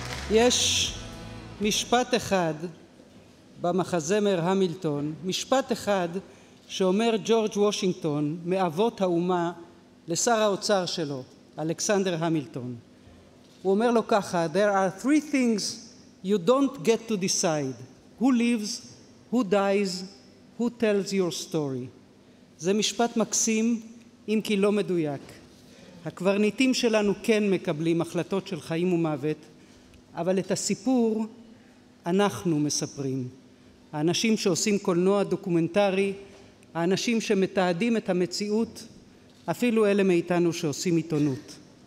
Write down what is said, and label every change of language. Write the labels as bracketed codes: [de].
[he] יש משפט אחד במחזמר המילטון, משפט אחד שאומר ג'ורג' וושינגטון, מאבות האומה, לשר האוצר שלו, אלכסנדר המילטון. הוא אומר לו ככה, [en] There are three things you don't get to decide. Who lives, who dies, who tells your story. [he] זה משפט מקסים, אם כי לא מדויק. הקברניטים שלנו כן מקבלים החלטות של חיים ומוות, אבל את הסיפור אנחנו מספרים. האנשים שעושים קולנוע דוקומנטרי, האנשים שמתעדים את המציאות, אפילו אלה מאיתנו שעושים עיתונות.